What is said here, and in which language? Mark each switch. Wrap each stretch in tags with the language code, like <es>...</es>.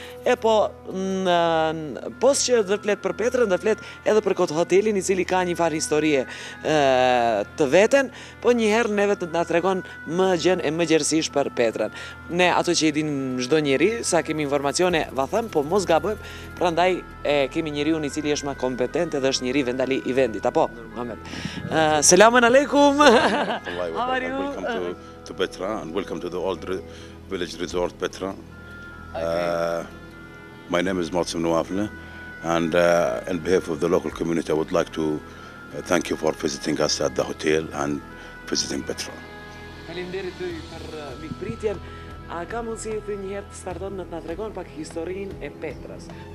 <sq>E po, posë që dhe fletë për Petrën, dhe fletë edhe për këtë hotelin, i cili ka një farë historie të veten, po njëherë neve të nga tregon më gjën e më gjërësish për Petrën. Ne ato që i din çdo njeri, sa kemi informacione, va thëmë, po mos gabojmë, prandaj e kemi njeri unë i cili është ma kompetent edhe është njeri vendali i vendit. Apo, Muhamet. Selamun aleikum.</sq> <en>How are you? Welcome to Petra and welcome to the old village resort Petra. My name is Motsum Nuafle And on behalf of the local community, I would like to thank you for visiting us at the hotel and visiting Petra.</en> <sq>Faleminderit ty për mikpritjen. A ka mundësi ti një herë të starton në të na tregon pak historinë e Petras?</sq>